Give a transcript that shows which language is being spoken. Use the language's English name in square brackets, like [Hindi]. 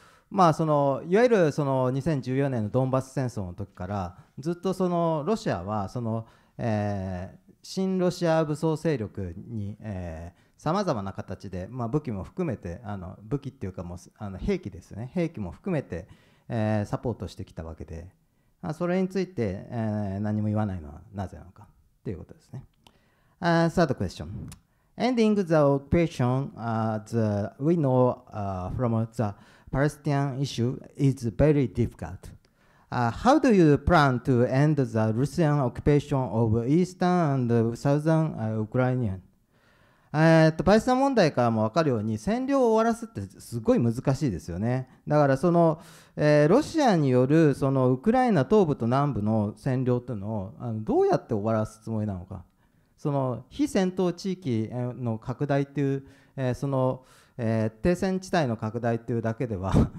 [Japanese] まあ、そのいわゆるその2014年のドンバス戦争の時から、ずっとそのロシアはその、新ロシア武装勢力に、さまざまな形で、まあ、武器も含めて、あの武器っていうかもうあの兵器ですね、兵器も含めて、サポートしてきたわけで、あそれについて、何も言わないのはなぜなのかということですね。 [English] Third question. Ending the occupation, as we know from the Palestinian issue, is very difficult. How do you plan to end the Russian occupation of Eastern and Southern Ukraine? [Japanese] パレスチナ問題からも分かるように占領を終わらすってすごい難しいですよね。だからその、ロシアによるそのウクライナ東部と南部の占領というのをどうやって終わらすつもりなのか、その非戦闘地域の拡大という、その、停戦地帯の拡大というだけでは